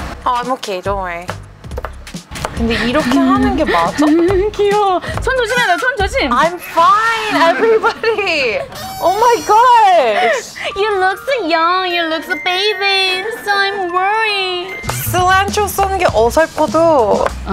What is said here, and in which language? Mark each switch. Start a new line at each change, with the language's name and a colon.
English: Oh, I'm okay, don't worry
Korean: 근데 이렇게 하는 게 맞아? 귀여워 손 조심해 나 손 조심
English: I'm fine, everybody Oh my gosh You look so young, you look so baby So I'm worried
Korean: 실란초 쏘는 게 어설퍼도